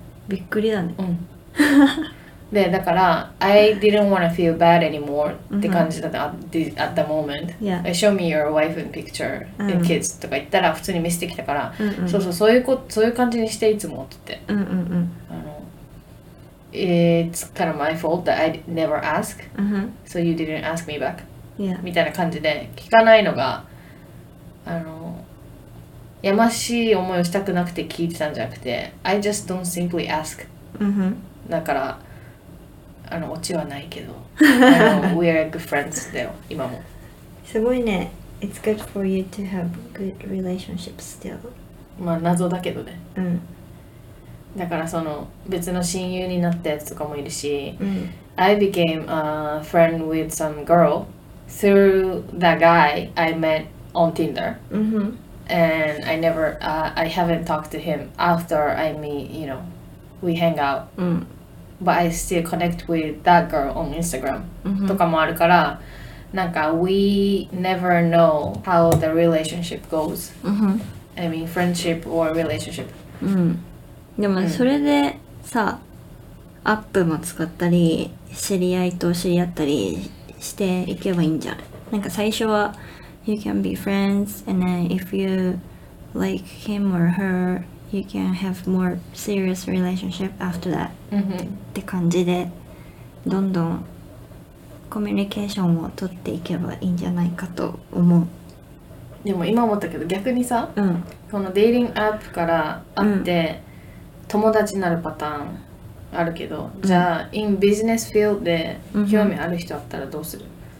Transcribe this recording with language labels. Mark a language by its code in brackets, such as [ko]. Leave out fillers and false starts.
[ja] びっくりだね。うん。で、だから、 [en] I didn't want to feel bad anymore [ja] って感じだった、 [en] at the moment. Yeah. Show me your wife and picture and kids、 [ja] うん、とか言ったら普通に見せてきたから、うんうん、そうそう、そういうこと、そういう感じにしていつもって。うんうんうん。あの、 [en] It's kind of my fault that I never ask,、 [ja] うん、 [en] so you didn't ask me back. Yeah. [ja] みたいな感じで、聞かないのが、あの、やましい思いをしたくなくて聞いてたんじゃなくて [en] I just don't simply ask、 mm-hmm. [ja] だからあのオチはないけど [en] We are good friends [ja] だよ今もすごいね [en] It's good for you to have good relationships still [ja] まあ謎だけどね、うん、だからその別の親友になったやつとかもいるし、うん、 [en] I became a friend with some girl through the guy I met on Tinder、 mm-hmm. And I never, I haven't talked to him after I meet, you know, we hang out.、 [ja] うん、 [en] But I still connect with that girl on Instagram、 [ja] うん、とかもあるから、なんか [en] we never know how the relationship goes.、 [ja] うん、 [en] I mean, friendship or relationship.、 [ja] うん、でもそれでさ、うん、アップも使ったり、知り合いと知り合ったりしていけばいいんじゃない？なんか最初は、 [en] You can be friends, and then if you like him or her, you can have more serious relationship after that.、 Mm-hmm. [ja] って感じで、どんどんコミュニケーションを取っていけばいいんじゃないかと思う。でも今思ったけど、逆にさ、うん、このデイリングアップから会って、うん、友達になるパターンあるけど、うん、じゃあ、 [en] in business field [ja] で興味ある人あったらどうする？うん